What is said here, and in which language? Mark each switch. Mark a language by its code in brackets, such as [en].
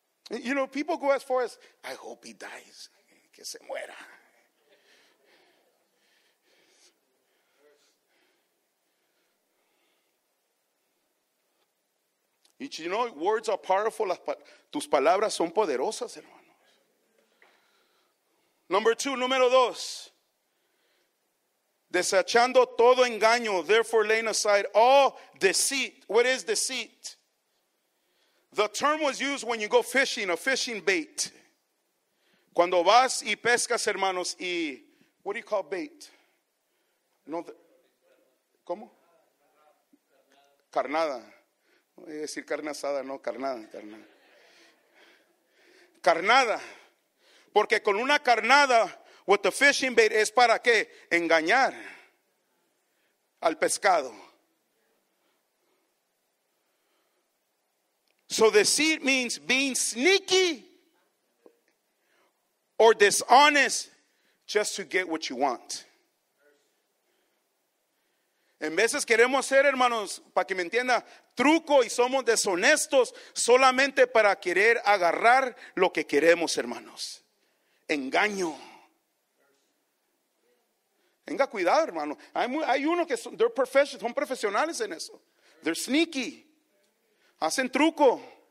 [en] You know, people go as far as, I hope he dies. [es] Que se muera. [en] Y you know, words are powerful. [es] Tus palabras son poderosas, hermanos. Número dos. Desechando todo engaño, [en] therefore laying aside all deceit. What is deceit? The term was used when you go fishing, a fishing bait. [es] Cuando vas y pescas, hermanos, y... [en] What do you call bait? [es] No, ¿cómo? Carnada. No voy a decir carne asada, no, carnada. Carnada. Porque con una carnada, [en] with the fishing bait, [es] ¿es para qué? Engañar al pescado. [en] So deceit means being sneaky or dishonest just to get what you want. [es] En veces queremos ser, hermanos, para que me entienda, truco y somos deshonestos solamente para querer agarrar lo que queremos, hermanos. Engaño. Tenga cuidado, hermano. Hay uno que son profesionales en eso. [en] They're sneaky. [es] Hacen truco.